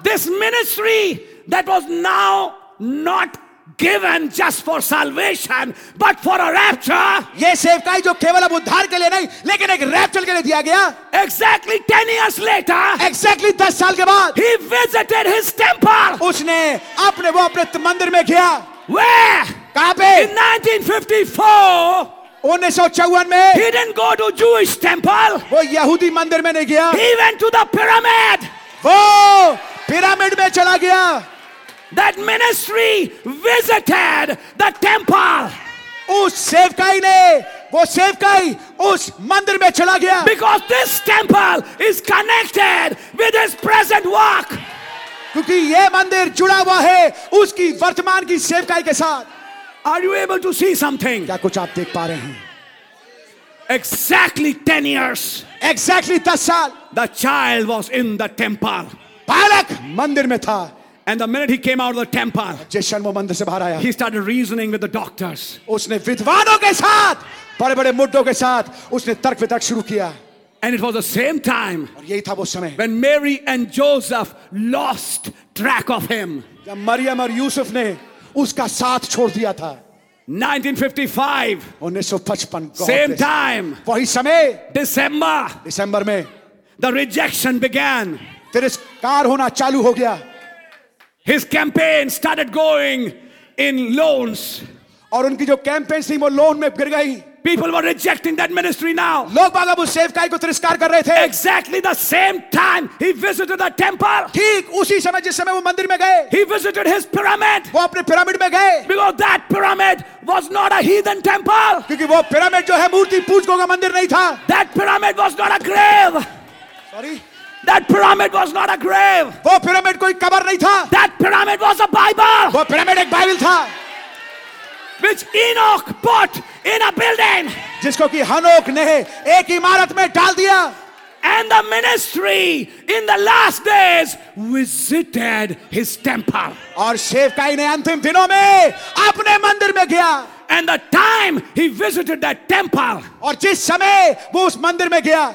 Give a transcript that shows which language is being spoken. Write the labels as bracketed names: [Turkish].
[English] This ministry that was now not given just for salvation, but for a rapture. [Hindi] ये सेवकाई जो केवल अब उद्धार के लिए नहीं, लेकिन एक रैप्चर के लिए दिया गया. [English] Exactly 10 years later. [Hindi] Exactly 10 साल के बाद. [English] He visited his temple. [Hindi] उसने अपने वो अपने मंदिर में गया. [English] Where? [Hindi] कहाँ पे? [English] In 1954. [Hindi] 1954 में. [English] He didn't go to Jewish temple. [Hindi] वो यहूदी मंदिर में नहीं गया. [English] He went to the pyramid. [Hindi] वो पिरामिड में चला गया. [English] That ministry visited the temple. [Hindi] उस सेवकाई ने, वो सेवकाई उस मंदिर में चला गया. [English] Because this temple is connected with his present work. [Hindi] क्योंकि ये मंदिर जुड़ा हुआ है उसकी वर्तमान की सेवकाई के साथ. [English] Are you able to see something? [Hindi] क्या कुछ आप देख पा रहे हैं? [English] Exactly 10 years. [Hindi] Exactly 10 साल. [English] The child was in the temple. [Hindi] बालक मंदिर में था. [English] And the minute he came out of the temple, [Hindi] जैसन वो मंदिर से बाहर आया, [English] he started reasoning with the doctors. [Hindi] उसने विद्वानों के साथ, बड़े-बड़े मुद्दों के साथ, उसने तर्क वितर्क शुरू किया. [English] And it was the same time, [Hindi] और यही था वो समय, [English] when Mary and Joseph lost track of him. [Hindi] जब मरियम और यूसुफ ने उसका साथ छोड़ दिया था. [English] 1955. [Hindi] 1955. [English] Same time. [Hindi] वही समय. [English] December. [Hindi] December में. [English] The rejection began. [Hindi] तिरस्कार होना चालू हो गया. [English] His campaign started going in loans. [Hindi] और उनकी जो कैंपेन थी वो लोन में गिर गई. [English] People were rejecting that ministry now. [Hindi] लोग बाग अब उस सेवकाई को तिरस्कार कर रहे थे. [English] Exactly the same time he visited the temple. [Hindi] ठीक उसी समय जिस समय वो मंदिर में गए. [English] He visited his pyramid. [Hindi] वो अपने पिरामिड में गए. [English] Because that pyramid was not a heathen temple. [Hindi] क्योंकि वो पिरामिड जो है मूर्ति पूजकों का मंदिर नहीं था. [English] That pyramid was not a grave. Sorry. That pyramid was not a grave. [Hindi] वो पिरामिड कोई कब्र नहीं था. [English] That pyramid was a Bible. [Hindi] वो पिरामिड एक बाइबल था. [English] Which Enoch put in a building. [Hindi] जिसको कि हनोक ने एक इमारत में डाल दिया. [English] And the ministry in the last days visited his temple. [Hindi] और सेवकाई ने अंतिम दिनों में अपने मंदिर गया. [English] And the time he visited that temple. [Hindi] और जिस समय वो उस मंदिर में गया.